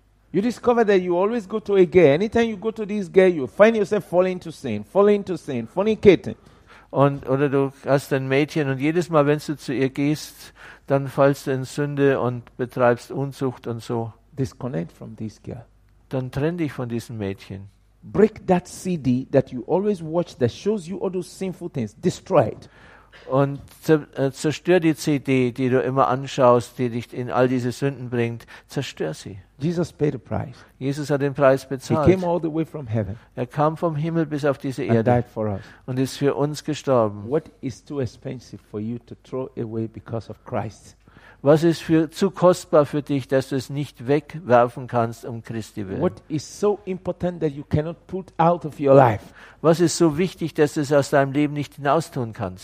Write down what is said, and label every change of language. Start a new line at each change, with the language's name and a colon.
English: You discover that you always go to a gay. Anytime you go to this gay, you find yourself falling into sin, fornicating.
German: Und oder du hast ein Mädchen und jedes Mal, wenn du zu ihr gehst, dann fallst du in Sünde und betreibst Unzucht und so.
English: Disconnect from this girl.
German: Dann trenn dich von diesem Mädchen.
English: Break that CD that you always watch that shows you all those sinful things. Destroy it.
German: Und zerstör die CD, die du immer anschaust, die dich in all diese Sünden bringt. Zerstör sie.
English: Jesus paid the price.
German: Jesus hat den Preis bezahlt.
English: He came all the way from heaven.
German: Er kam vom Himmel bis auf diese Erde.
English: And died for us.
German: Und ist für uns gestorben.
English: What is too expensive for you to throw away because of Christ?
German: Was ist für zu kostbar für dich, dass du es nicht wegwerfen kannst um Christi willen?
English: What is so important that you cannot put out of your life?
German: Was ist so wichtig, dass du es aus deinem Leben nicht hinaustun kannst?